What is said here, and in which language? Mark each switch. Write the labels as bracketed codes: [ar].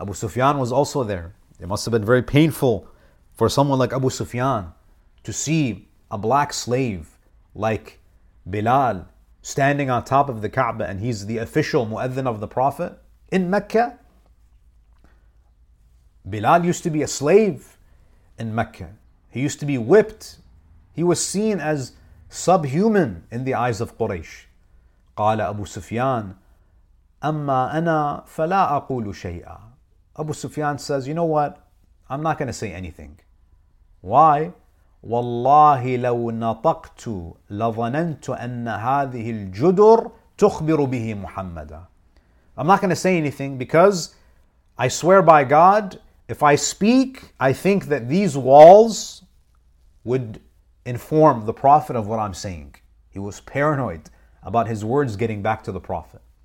[en] Abu Sufyan was also there. It must have been very painful for someone like Abu Sufyan to see a black slave like Bilal standing on top of the Kaaba, and he's the official muezzin of the Prophet in Mecca. Bilal used to be a slave in Mecca. He used to be whipped. He was seen as subhuman in the eyes of Quraysh. [ar] قال أبو سفيان أما أنا فلا أقول شيئا. [en] Abu Sufyan says, you know what? I'm not going to say anything. Why? [ar] والله لو نطقت لظننت أن هذه الجدر تخبر به محمدا. [en] I'm not going to say anything because I swear by God, if I speak, I think that these walls would inform the Prophet of what I'm saying. He was paranoid about his words getting back to the Prophet.